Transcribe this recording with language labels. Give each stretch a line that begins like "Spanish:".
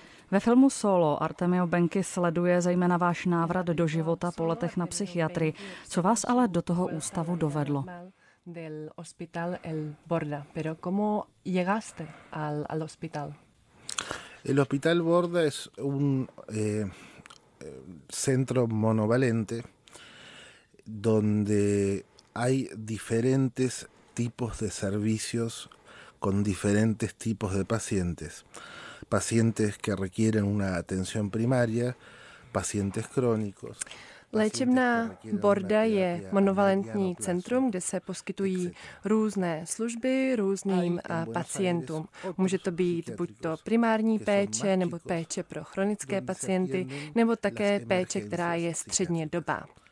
Czech: Ve filmu Solo Artemio Benki sleduje zejména váš návrat do života po letech na psychiatrii. Co vás ale do toho ústavu dovedlo?
Spanish: Del hospital El Borda. Pero cómo llegaste al hospital? El Hospital Borda es un centro monovalente donde hay diferentes tipos de servicios con diferentes tipos de pacientes. Pacientes que requieren una atención primaria, pacientes crónicos.
Czech: Léčebna Borda je monovalentní centrum, kde se poskytují různé služby různým pacientům. Může to být buď to primární péče, nebo péče pro chronické pacienty, nebo také péče, která je středně dobá.